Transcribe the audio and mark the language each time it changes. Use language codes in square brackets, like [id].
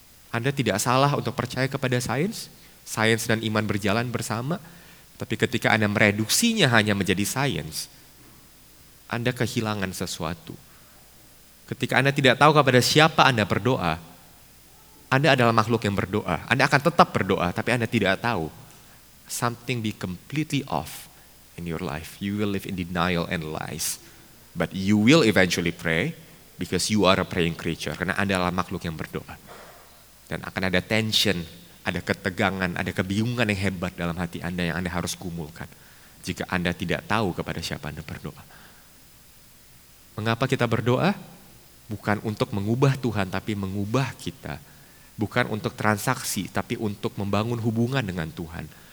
[id] Anda tidak salah untuk percaya kepada science. Science dan iman berjalan bersama. Tapi ketika Anda mereduksinya hanya menjadi science, Anda kehilangan sesuatu. Ketika Anda tidak tahu kepada siapa Anda berdoa, Anda adalah makhluk yang berdoa. Anda akan tetap berdoa, tapi Anda tidak tahu. [en] Something be completely off in your life. You will live in denial and lies. But you will eventually pray because you are a praying creature. [id] Karena Anda adalah makhluk yang berdoa. Dan akan ada tension, ada ketegangan, ada kebingungan yang hebat dalam hati Anda yang Anda harus kumulkan jika Anda tidak tahu kepada siapa Anda berdoa. Mengapa kita berdoa? Bukan untuk mengubah Tuhan, tapi mengubah kita. Bukan untuk transaksi, tapi untuk membangun hubungan dengan Tuhan.